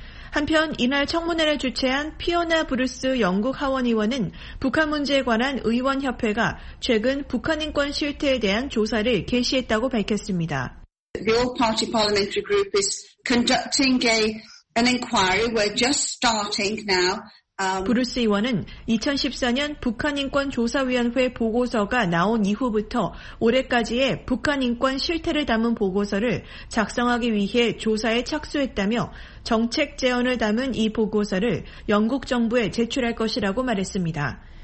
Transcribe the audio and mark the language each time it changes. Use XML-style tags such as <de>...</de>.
<ko>한편 이날 청문회를 주최한 피오나 브루스 영국 하원의원은 북한 문제에 관한 의원협회가 최근 북한 인권 실태에 대한 조사를 개시했다고 밝혔습니다.</ko> <en>The All-Party Parliamentary Group is conducting an inquiry. We're just starting now.</en> <ko>브루스 의원은 2014년 북한인권조사위원회 보고서가 나온 이후부터 올해까지의 북한인권 실태를 담은 보고서를 작성하기 위해 조사에 착수했다며 정책 제언을 담은 이 보고서를 영국 정부에 제출할 것이라고 말했습니다.</ko>